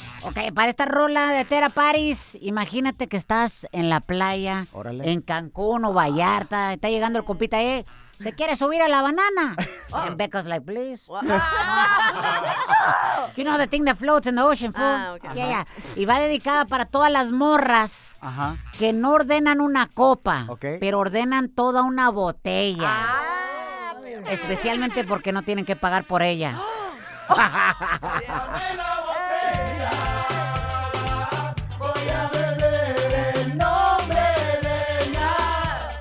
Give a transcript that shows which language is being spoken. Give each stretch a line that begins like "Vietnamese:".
Spanish: Ok, para esta rola de Tera Paris, imagínate que estás en la playa, órale, en Cancún o Vallarta, está llegando el compita ahí, ¿se quiere subir a la banana?
English: Oh. And Becca's like, please. You know the thing that floats in the ocean, fool. Okay. Yeah, yeah.
Spanish: Y va dedicada para todas las morras que no ordenan una copa, pero ordenan toda una botella. Especialmente porque no tienen que pagar por ella. Voy a beber en nombre de ella.